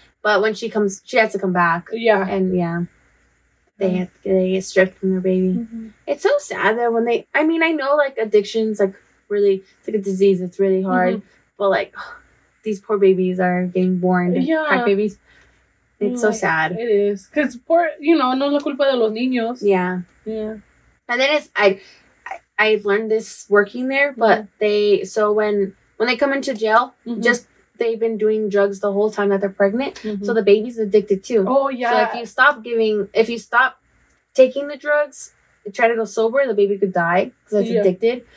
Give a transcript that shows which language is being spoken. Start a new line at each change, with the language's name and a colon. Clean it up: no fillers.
English: But when she comes, she has to come back. Yeah. And, yeah. They get stripped from their baby. Mm-hmm. It's so sad that when they, I mean, I know, like, addiction's, like, really, it's like a disease. It's really hard. Mm-hmm. But, like, these poor babies are getting born. Yeah. Crack babies. It's so sad. It is. Because poor, you know,
Spanish: no es la culpa de los niños.
English: Yeah. Yeah. And then it's, I learned this working there, but when they come into jail, they've been doing drugs the whole time that they're pregnant. Mm-hmm. So the baby's addicted too. Oh, yeah. So if you stop taking the drugs, try to go sober, the baby could die because it's addicted.